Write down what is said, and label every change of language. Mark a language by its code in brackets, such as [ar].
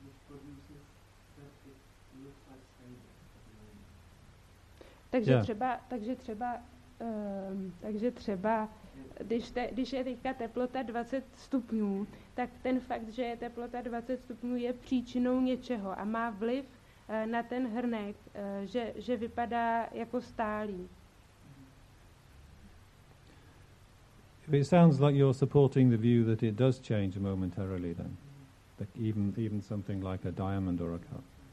[en] Produces that it looks like stable at the moment. [cs] Takže třeba, když je teďka teplota 20 stupňů, tak ten fakt, že je teplota 20 stupňů, je příčinou něčeho a má vliv na ten hrnek, že vypadá jako stálý. [en] If it sounds like you're supporting the view that it does change momentarily, then, like even something like a diamond or a cup.